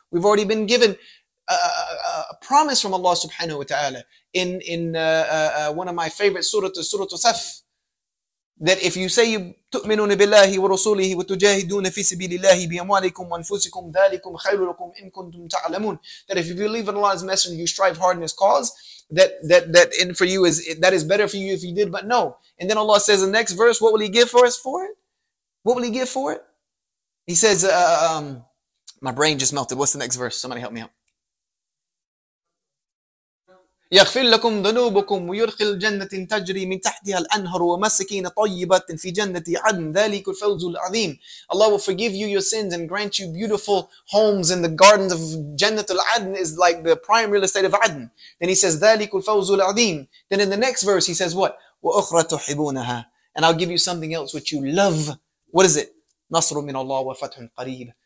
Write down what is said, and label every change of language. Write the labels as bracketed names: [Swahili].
[English] We've already been given a promise from Allah subhanahu wa ta'ala in one of my favorite surah Saf, that if you say you tu'minuna billahi wa rasulihi wa tujahiduna fi sabilillahi bi amwalikum wa anfusikum dhalikum khayrun lakum in kuntum ta'lamun, that if you believe in Allah's messenger, you strive hard in his cause, that in for you is, that is better for you if you did. But no, and then Allah says in the next verse, what will he give for us for it? He says, my brain just melted. What's the next verse? Somebody help me out. [Arabic] يغفر لكم ذنوبكم ويدخل الجنة تجري من تحتها الأنهار ومسكين طيبة في جنة عدن ذلك الفوز العظيم. [English] Allah will forgive you your sins and grant you beautiful homes in the gardens of Jannat al-Adn, is like the prime real estate of Adn. Then he says [Arabic] ذلك الفوز العظيم. [English] Then in the next verse he says what? [Arabic] وأخرى تحبونها. [English] And I'll give you something else which you love. What is it? [Arabic] نصر من الله وفتح قريب.